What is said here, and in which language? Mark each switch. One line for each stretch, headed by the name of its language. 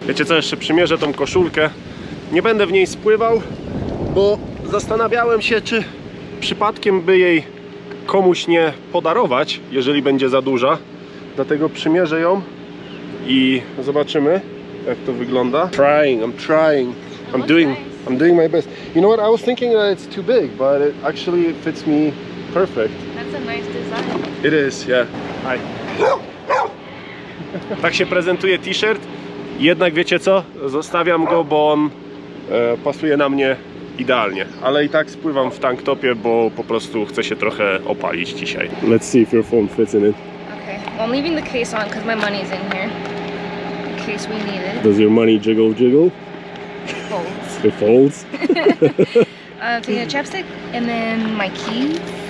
Polish: Wiecie co, jeszcze przymierzę tą koszulkę. Nie będę w niej spływał, bo zastanawiałem się, czy przypadkiem by jej komuś nie podarować, jeżeli będzie za duża. Dlatego przymierzę ją i zobaczymy, jak to wygląda.
English: I'm trying. I'm doing my best. You know what, I was thinking that it's too big, but it actually fits me perfect. That's a nice design. It is, yeah. Hi.
Polish: Tak się prezentuje t-shirt. Jednak wiecie co? Zostawiam go, bo on pasuje na mnie idealnie. Ale i tak spływam w tank topie, bo po prostu chcę się trochę opalić dzisiaj.
English: Let's see if your phone fits in it. Okay. Well, I'm leaving the case on because my money's in here. In case we need it. Does your money jiggle jiggle? It folds. It folds? So you have chapstick and then my key.